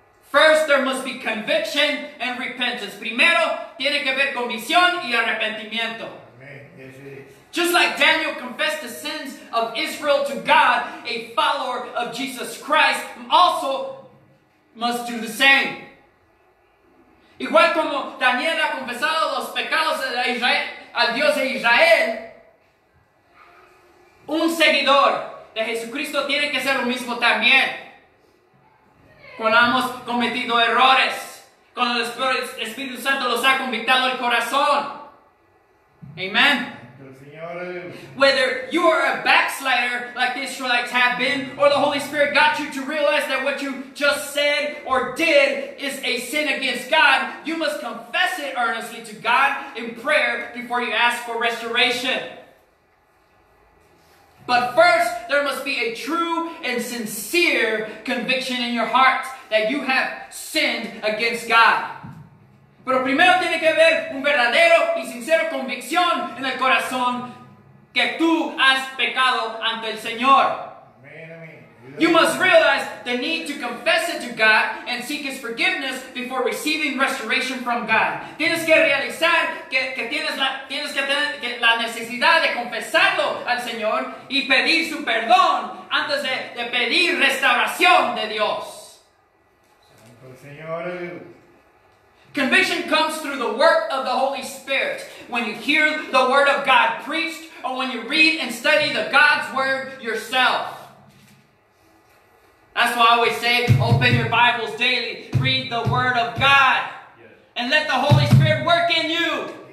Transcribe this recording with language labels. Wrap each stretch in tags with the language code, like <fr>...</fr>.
<en>First, there must be conviction and repentance.</en> <es>Primero, tiene que haber convicción y arrepentimiento.</es> <en>Just like Daniel confessed the sins of Israel to God, a follower of Jesus Christ also must do the same.</en> <es>Igual como Daniel ha confesado los pecados de Israel, al Dios de Israel, un seguidor de Jesucristo tiene que ser lo mismo también. Cuando hemos cometido errores, cuando el Espíritu Santo los ha convictado el corazón.</es> <en>Amen. Whether you are a backslider like the Israelites have been, or the Holy Spirit got you to realize that what you just said or did is a sin against God, you must confess it earnestly to God in prayer before you ask for restoration. But first, there must be a true and sincere conviction in your heart that you have sinned against God.</en> <es>Pero primero tiene que haber un verdadero y sincero convicción en el corazón que tú has pecado ante el Señor.</es> <en>You must realize the need to confess it to God and seek His forgiveness before receiving restoration from God.</en> <es>Tienes que realizar que tienes la necesidad de confesarlo al Señor y pedir su perdón antes de pedir restauración de Dios. Santo Señor.</es> <en>Conviction comes through the work of the Holy Spirit. When you hear the Word of God preached, or when you read and study the God's Word yourself. That's why I always say, open your Bibles daily, read the Word of God, and let the Holy Spirit work in you.</en>